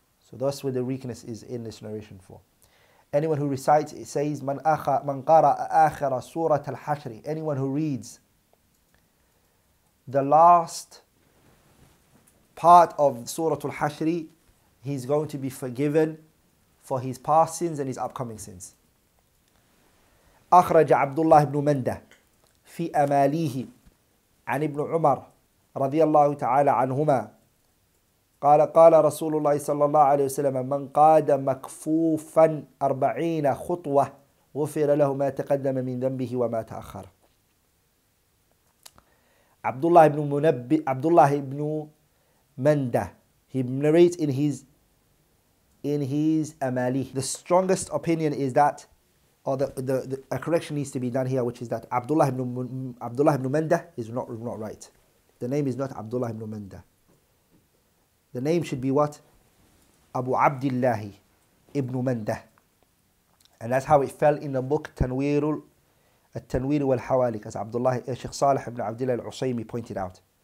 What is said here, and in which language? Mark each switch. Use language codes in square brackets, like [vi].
[en] So that's where the weakness is in this narration for. Anyone who recites, it says, [ar] man qara'a akhira surat al-hashri. [en] Anyone who reads the last part of Surah Al-Hashri, he's going to be forgiven for his past sins and his upcoming sins. [ar] أخرج عبد الله بن مندة في أماليه عن ابن عمر رضي الله تعالى عنهما قال قال رسول الله صلى الله عليه وسلم من قاد مكفوفا 40 خطوة غفر له ما تقدم من ذنبه وما تأخر. [en] عبد الله بن مندة he narrates in his أماليه. The strongest opinion is that, or the correction needs to be done here, which is that Abdullah ibn Manda is not right. The name is not Abdullah ibn Manda. The name should be what? Abu Abdullah ibn Manda. And that's how it fell in the book Tanwir wal Hawalik, as Abdullah Sheikh Salih ibn Abdullah al-Usaymi pointed out.